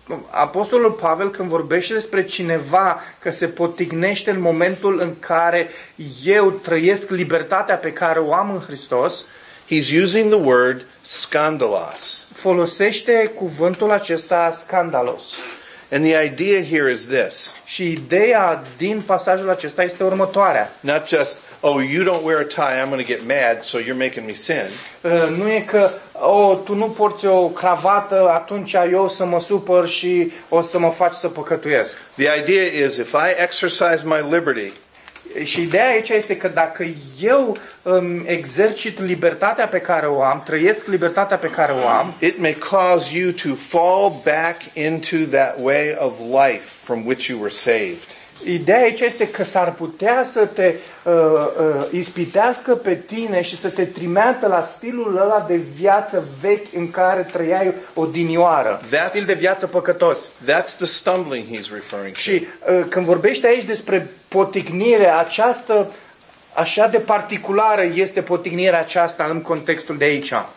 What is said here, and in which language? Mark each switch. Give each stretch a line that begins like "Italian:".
Romanian: Apostolul Pavel când vorbește despre cineva că se potignește în momentul în care eu trăiesc libertatea pe care o am în Hristos,
English: he's using the word scandalos.
Romanian: Folosește cuvântul acesta scandalos.
English: And the idea here is this.
Romanian: Și ideea din pasajul acesta este următoarea.
English: Not just, oh, you don't wear a tie, I'm going to get mad, so you're making me sin.
Romanian: Nu e că, oh, tu nu porți o cravată, atunci eu o să mă supăr și o să mă faci să păcătuiesc.
English: The idea is, if I exercise my liberty.
Romanian: Și ideea aici este că dacă eu exercit libertatea pe care o am, trăiesc libertatea pe care o am,
English: it may cause you to fall back into that way of life from which you were saved.
Romanian: Ideea aici este că s-ar putea să te ispitească pe tine și să te trimeată la stilul ăla de viață vechi în care trăiai odinioară. Stil de viață păcătos.
English: That's the stumbling he's referring to.
Romanian: Și când vorbește aici despre potignire, aceasta așa de particulară este potignirea aceasta în contextul de aici.